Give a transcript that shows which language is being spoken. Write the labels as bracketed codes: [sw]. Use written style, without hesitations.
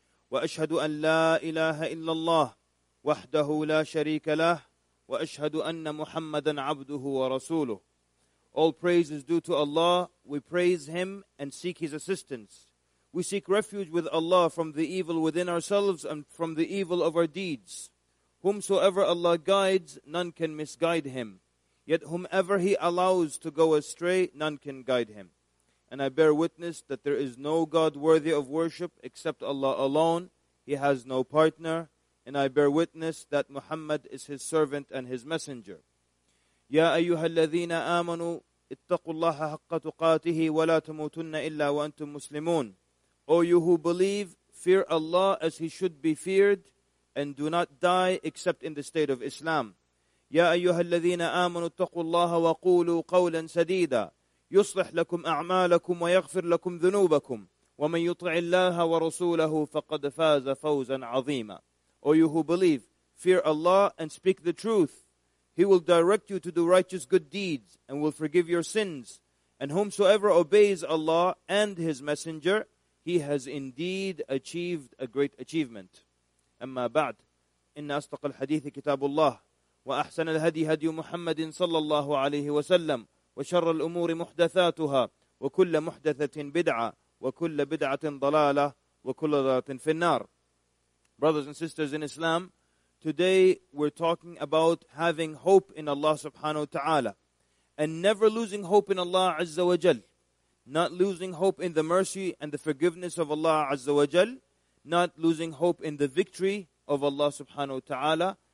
[ar] وأشهد أن لا إله إلا الله وحده لا شريك له وأشهد أن محمدا عبده ورسوله. [en] All praise is due to Allah. We praise Him and seek His assistance. We seek refuge with Allah from the evil within ourselves and from the evil of our deeds. Whomsoever Allah guides, none can misguide him. Yet whomever He allows to go astray, none can guide him. And I bear witness that there is no God worthy of worship except Allah alone. He has no partner. And I bear witness that Muhammad is His servant and His messenger. [ar] يا أيها الذين آمنوا اتقوا الله حق تقاته ولا تموتن إلا وأنتم مسلمون. [en] O you who believe, fear Allah as He should be feared, and do not die except in the state of Islam. [ar] يا أيها الذين آمنوا اتقوا الله وقولوا قولا سديدا. يصلح لكم أعمالكم ويغفر لكم ذنوبكم ومن يطع الله ورسوله فقد فاز فوزا عظيما. [en] O you who believe, fear Allah and speak the truth. He will direct you to do righteous good deeds and will forgive your sins. And whomsoever obeys Allah and His Messenger, he has indeed achieved a great achievement. [ar] أما بعد إن أصدق الحديث كتاب الله وأحسن الهدي هدي محمد صلى الله عليه وسلم وشر الأمور محدثاتها وكل محدثة بدعة وكل بدعة ضلالة وكل ضلالة في النار. [en] Brothers and sisters in Islam, today we're talking about having hope in Allah subhanahu wa ta'ala and never losing hope in Allah azza wa jal. Not losing hope in the mercy and the forgiveness of Allah azza wa jal. Not losing hope in the victory of Allah subhanahu wa ta'ala.